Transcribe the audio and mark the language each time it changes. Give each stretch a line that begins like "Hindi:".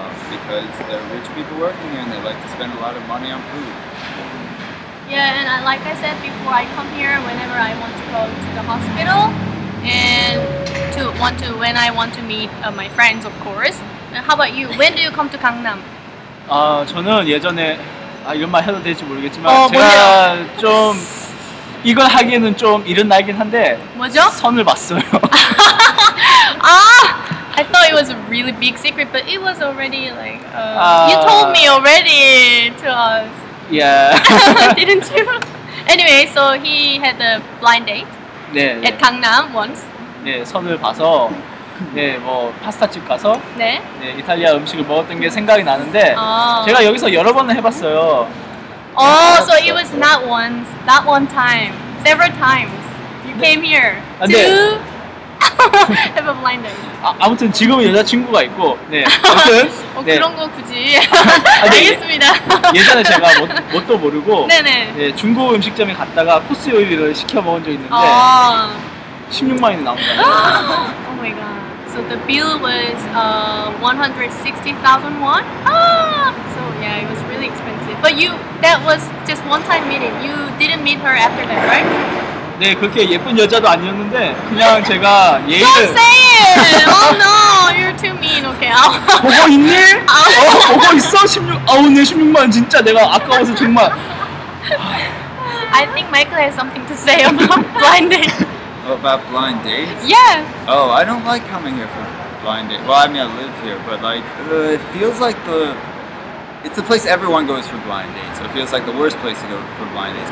English: Because there are rich people working here and they like to spend a lot of money on food. Yeah, and I, like I said before, I come here whenever I want to go to the hospital and to want to when I want to meet my friends, of course. And how about you? When do you come to Gangnam?
Korean: 아 저는 예전에 아 이런 말 해도 될지 모르겠지만 어, 제가 좀 이걸 하기에는 좀 이른 나이긴 한데 뭐죠? 선을 봤어요.
English: 아 I thought it was a really big secret, but it was already like you told me already to us. Yeah. Didn't you? Anyway, so he had a blind date.
Korean: 네,
English: at Gangnam once.
Korean: 네 선을 봐서. 네, 뭐 파스타집 가서 네? 네, 이탈리아 음식을 먹었던 게 생각이 나는데 아. 제가 여기서 여러 번을 해봤어요.
English: Oh, so it was not once, not one time, several times. You came here to
Korean: 네.
English: have a blind date.
Korean: 아, 아무튼 지금은 여자친구가 있고 네, 아무튼 어, 네. 그런 거 굳이 아, 네. 알겠습니다. 예전에 제가 뭣도 모르고 네네. 네, 중국 음식점에 갔다가 코스 요리를 시켜 먹은 적 있는데 아. 16만 원이 나온 거예요.
English: Oh my god. So the bill was 160,000 won. Ah! So yeah, it was really expensive. But you, that was just one time meeting. You didn't meet her after that, right?
Korean: 네, 그렇게 예쁜 여자도 아니었는데 그냥 제가 예의를
English: Don't say it! Oh no, you're too mean. Okay.
Korean: 보고 있니? 어, 보고 있어? 16, 아우 내 16만 진짜 내가 아까워서 정말
English: I think Michael has something to say about blind date. Oh, about blind dates? Yeah. Oh, I don't like coming here for blind dates. Well, I mean, I live here, but like, it feels like the... It's the place everyone goes for blind dates, so it feels like the worst place to go for blind dates.